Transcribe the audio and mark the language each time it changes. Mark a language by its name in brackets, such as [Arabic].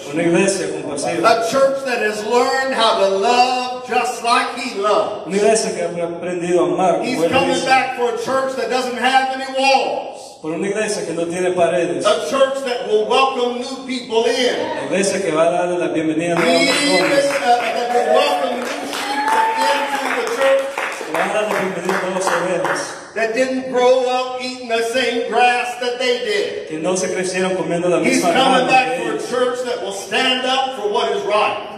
[English] A church that has learned how to love just like He loves. He's coming back for a church that doesn't have any walls. [Spanish] Por una iglesia que no tiene paredes. [English] A church that will welcome new people in. [Spanish] La iglesia que va a darle la bienvenida a nuevas personas. [English] That will welcome new sheep into the church. [Spanish] Que va a darle bienvenida a nuevas ovejas. [English] That didn't grow up eating the same grass that they did. [Spanish] Que no se crecieron comiendo la misma [English] He's coming back for a church that will stand up for what is right.